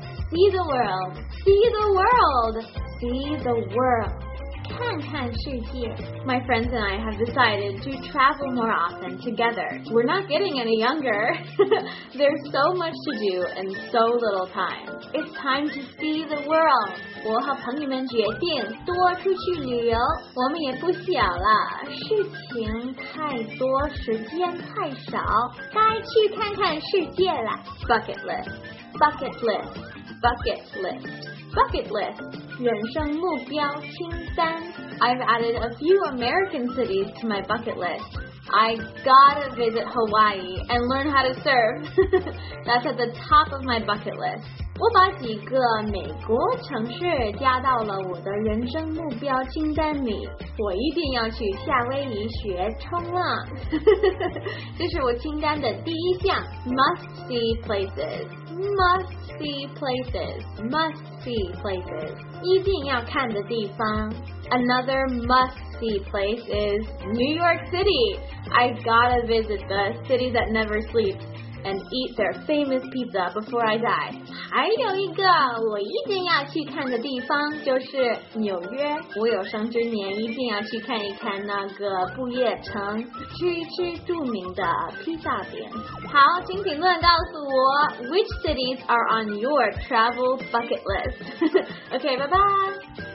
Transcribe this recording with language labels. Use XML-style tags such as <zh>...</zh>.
<en>See the world, see the world, see the world.</en> <zh>看看世界。</zh> <en>My friends and I have decided to travel more often together. We're not getting any younger. There's so much to do and so little time. It's time to see the world.</en> <zh>我和朋友们决定多出去旅游。我们也不小了，事情太多，时间太少，该去看看世界了。</zh> <en>Bucket list, bucket list, bucket list, bucket list.</en> <zh>人生目标清单。</zh> <en>I've added a few American cities to my bucket list. I gotta visit Hawaii and learn how to surf. That's at the top of my bucket list.</en> <zh>我把几个美国城市加到了我的人生目标清单里。我一定要去夏威夷学冲浪。这是我清单的第一项。</zh> <en>Must see places. Must see places. Must see places.</en> <zh>一定要看的地方。</zh> <en>Another must-see place is New York City. I gotta visit the city that never sleeps and eat their famous pizza before I die.</en> <zh>还有一个我一定要去看的地方就是纽约。我有生之年一定要去看一看那个不夜城，吃一吃著名的披萨饼。好，请评论告诉我</zh> <en>,which cities are on your travel bucket list? Okay, bye bye!</en>